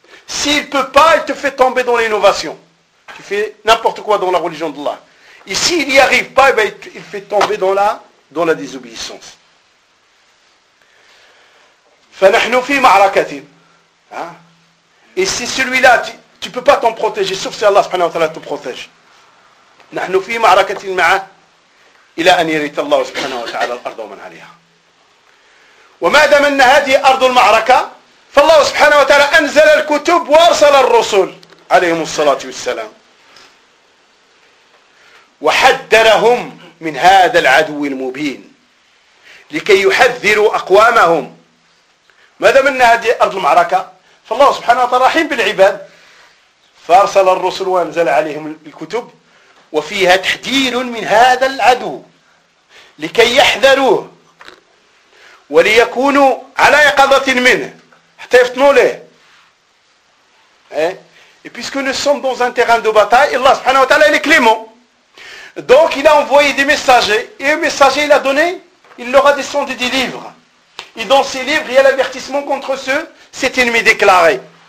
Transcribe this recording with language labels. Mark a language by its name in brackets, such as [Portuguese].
[French] S'il ne peut pas, il te fait tomber dans l'innovation. Tu fais n'importe quoi dans la religion d'Allah. Et s'il n'y arrive pas, et bien il fait tomber dans la désobéissance. [Arabic] فَنَحْنُ فِي مَعْرَكَةٍ. [French] Et si celui-là, tu ne peux pas t'en protéger, sauf si Allah subhanahu wa ta'ala te protège. [Arabic] نحن في معركة مع إلى أن يريث الله سبحانه وتعالى الأرض ومن عليها وما دام أن هذه أرض المعركة فالله سبحانه وتعالى أنزل الكتب وأرسل الرسل عليهم الصلاة والسلام وحذرهم من هذا العدو المبين لكي يحذروا أقوامهم. ما دام أن هذه أرض المعركة فالله سبحانه وتعالى رحيم بالعباد فأرسل الرسل وأنزل عليهم الكتب وفيها تحذير من هذا العدو لكي يحذروه وليكونوا على يقظة منه حتى يفطنوا له. [French] Et puisque nous sommes dans un terrain de bataille, Allah subhanahu wa ta'ala est clément. Donc il a envoyé des messagers. Et les messagers il a donné, il leur a descendu des livres. Et dans ces livres, il y a l'avertissement contre ceux, cet ennemi déclaré.